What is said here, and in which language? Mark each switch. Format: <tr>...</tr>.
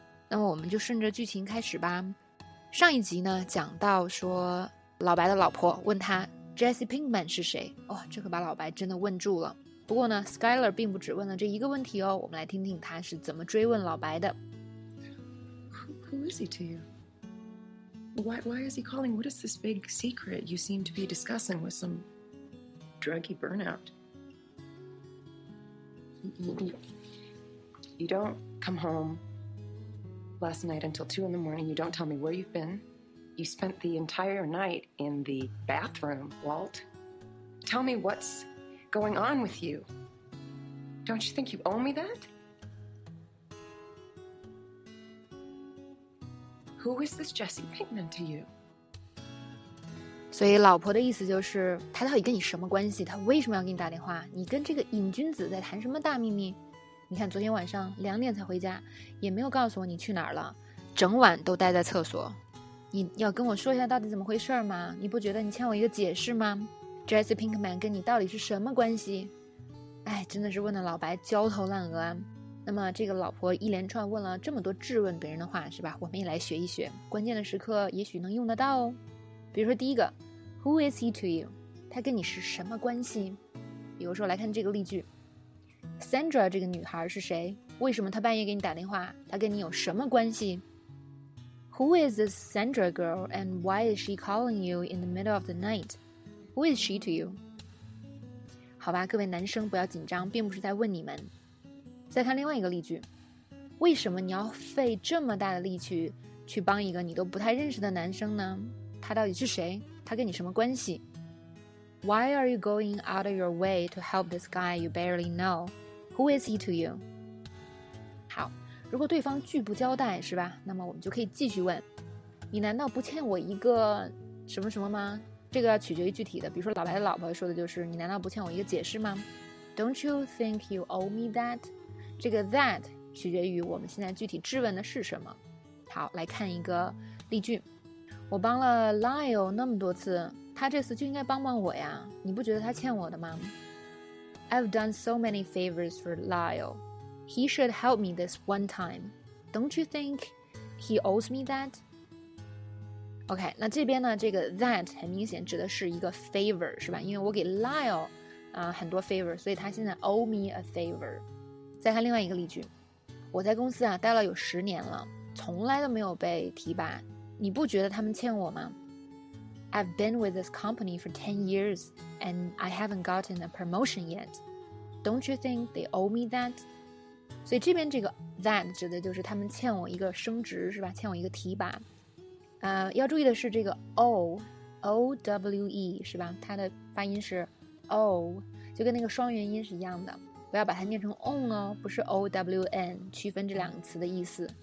<zh>那么我们就顺着剧情开始吧。上一集呢，讲到说老白的老婆问他 Jesse Pinkman 是谁，哦，这可把老白真的问住了。不过呢 ，Skyler 并不只问了这一个问题哦，我们来听听他是怎么追问老白的。</zh> <en>Who is he to you? Why is he calling? What is this big secret you seem to be discussing with some druggy burnout? You don't come home last night until 2 a.m. You don't tell me where you've been. You spent the entire night in the bathroom, Walt. Tell me what's going on with you. Don't you think you owe me that? Who is this Jesse Pinkman to you?</en> <zh>所以老婆的意思就是，他到底跟你什么关系？他为什么要给你打电话？你跟这个瘾君子在谈什么大秘密？你看昨天晚上2点才回家，也没有告诉我你去哪儿了，整晚都待在厕所。你要跟我说一下到底怎么回事吗？你不觉得你欠我一个解释吗？ Jesse Pinkman 跟你到底是什么关系？哎，真的是问的老白焦头烂额啊。那么这个老婆一连串问了这么多质问别人的话，是吧，我们也来学一学，关键的时刻也许能用得到哦。比如说第一个</zh> <en>Who is he to you?</en> <zh>他跟你是什么关系？比如说来看这个例句， Sandra 这个女孩是谁？为什么她半夜给你打电话？她跟你有什么关系？</zh> <en>Who is this Sandra girl and why is she calling you in the middle of the night? Who is she to you?</en> <zh>好吧，各位男生不要紧张，并不是在问你们。再看另外一个例句，为什么你要费这么大的力气去帮一个你都不太认识的男生呢？他到底是谁？他跟你什么关系？</zh> <en>Why are you going out of your way to help this guy you barely know? Who is he to you?</en> <zh>好，如果对方拒不交代，是吧，那么我们就可以继续问，你难道不欠我一个什么什么吗？这个要取决于具体的，比如说老白的老婆说的就是，你难道不欠我一个解释吗？</zh> <en>Don't you think you owe me that?</en> <zh>这个 that 取决于我们现在具体质问的是什么。好，来看一个例句，我帮了 Lyle 那么多次，他这次就应该帮帮我呀，你不觉得他欠我的吗？</zh> <en>I've done so many favors for Lyle. He should help me this one time. Don't you think he owes me that?</en> <zh>OK, 那这边呢，这个 that 很明显指的是一个 favor, 是吧，因为我给 Lyle、很多 favor, 所以他现在</zh> <en>owe me a favor。</en> <zh>再看另外一个例句，我在公司啊待了有10年了，从来都没有被提拔，你不觉得他们欠我吗？</zh> <en>I've been with this company for 10 years and I haven't gotten a promotion yet. Don't you think they owe me that?</en> <zh>所以这边这个 that 指的就是他们欠我一个升职，是吧，欠我一个提拔。要注意的是这个 O-O-W-E, 是吧，它的发音是 O, 就跟那个双元音是一样的，不要把它念成 own 哦，不是 own, 区分这两个词的意思。</zh>